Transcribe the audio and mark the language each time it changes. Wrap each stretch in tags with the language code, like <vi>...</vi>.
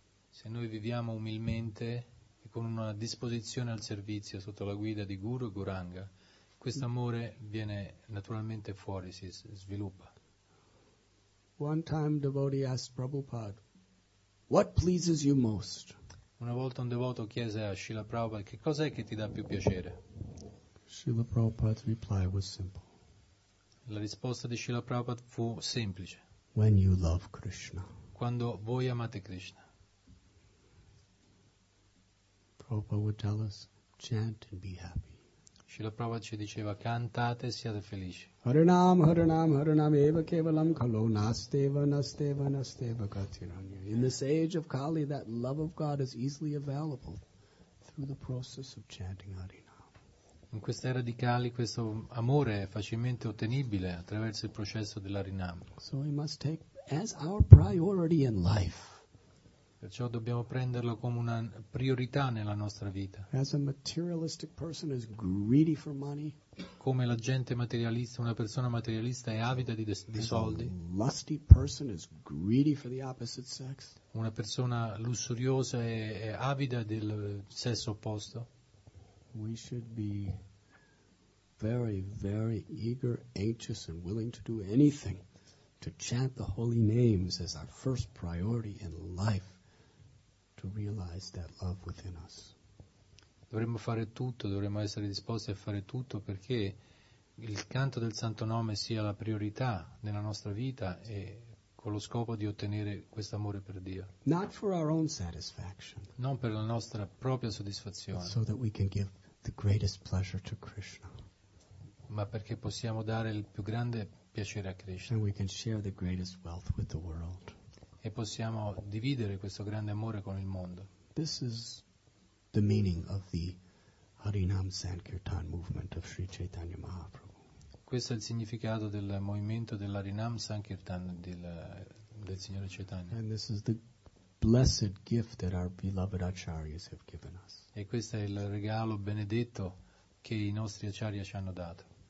<it>Se noi viviamo umilmente e con una disposizione al servizio sotto la guida di Guru e Gauranga, quest'amore viene naturalmente fuori, si sviluppa.</it> <en>One time devotee asked Prabhupada, what pleases you most?</en> <it>Una volta un devoto chiese a Srila Prabhupada, che cos'è che ti dà più piacere?</it> <en>Srila Prabhupada's reply was simple.</en> <it>La risposta di Srila Prabhupada fu semplice.</it> <en>When you love Krishna.</en> <it>Quando voi amate Krishna.</it> <en>Prabhupada would tell us, chant and be happy.</en> <it>Srila Prabhupada ci diceva, cantate e siate felici.</it> <sa>Harinam, harinam, harinam, eva kevalam kalo nasteva, nasteva, nasteva katiranya.</sa> <en>In this age of Kali, that love of God is easily available through the process of chanting Harinam.</en> <it>In questa era di Kali, questo amore è facilmente ottenibile attraverso il processo dell'Harinam.</it> <en>So we must take as our priority in life.</en> <it>Perciò dobbiamo prenderlo come una priorità nella nostra vita.</it> <en>As a materialistic person is greedy for money.</en> <it>Come la gente materialista, una persona materialista è avida di soldi.</it> <en>A lusty person is greedy for the opposite sex.</en> <it>Una persona lussuriosa è avida del sesso opposto.</it> <en>We should be very, very eager, anxious and willing to do anything to chant the holy names as our first priority in life. Realize that love within us.</en> <it>Dovremmo fare tutto, dovremmo essere disposti a fare tutto perché il canto del santo nome sia la priorità nella nostra vita e con lo scopo di ottenere questo amore per Dio.</it> <en>Not for our own satisfaction.</en> <it>Non per la nostra propria soddisfazione.</it> <en>So that we can give the greatest pleasure to Krishna.</en> <it>Ma perché possiamo dare il più grande piacere a Krishna.</it> <en>And we can share the greatest wealth with the world.</en> <it>E possiamo dividere questo grande amore con il mondo.</it> <en>This is the meaning of the Harinam Sankirtan movement of Sri Chaitanya Mahaprabhu.</en> <it>Questo è il significato del movimento dell'Harinam Sankirtan del Signore Chaitanya.</it> <en>And this is the blessed gift that our beloved acharyas have given us.</en> <it>E questo è il regalo benedetto che i nostri acharya ci hanno dato.</it>